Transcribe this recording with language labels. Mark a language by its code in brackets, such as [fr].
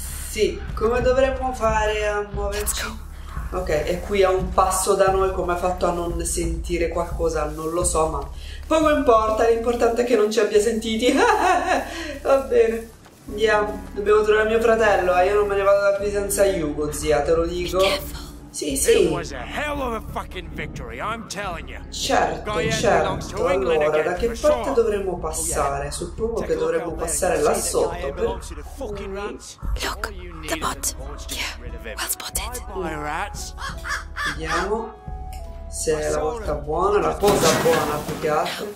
[it] Sì, come dovremmo fare a muoverci? Ok, è qui a un passo da noi, come ha fatto a non sentire qualcosa? Non lo so, ma poco importa, l'importante è che non ci abbia sentiti. Va bene, andiamo. Dobbiamo trovare mio fratello, io non me ne vado da qui senza Hugo, zia, te lo dico. Sì. [en] It was a hell of a fucking victory, I'm telling you. [it] Certo. Allora, da che parte dovremmo passare? Suppongo che dovremmo passare là sotto. [en] Look, the bot. Yeah, well spotted. [it] Vediamo se è la volta buona, la posa buona più che altro.